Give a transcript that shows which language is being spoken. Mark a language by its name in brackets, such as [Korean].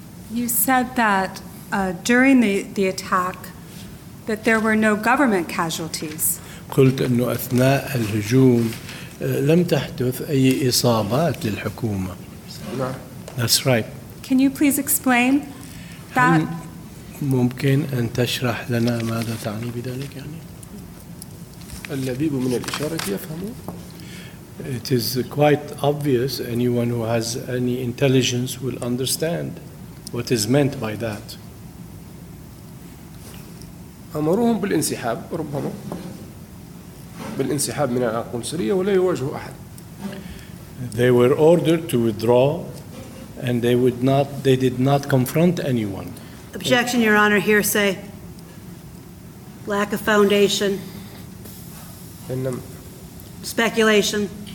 [English] You said that during the attack that there were no government casualties. [Arabic] قلت انه اثناء الهجوم لم تحدث اي اصابات للحكومه. [English] That's right. Can you please explain that? [Arabic] ممكن ان تشرح لنا ماذا تعني بذلك يعني؟ اللبيب من الاشاره يفهمه. [English] It is quite obvious, anyone who has any intelligence will understand. What is meant by that? [Arabic] أمرهم بالانسحاب ربما بالانسحاب من القنصلية ولا يواجه أحد. [English] They were ordered to withdraw, and they would not. They did not confront anyone. Objection, Your Honor. Hearsay. Lack of foundation. Speculation.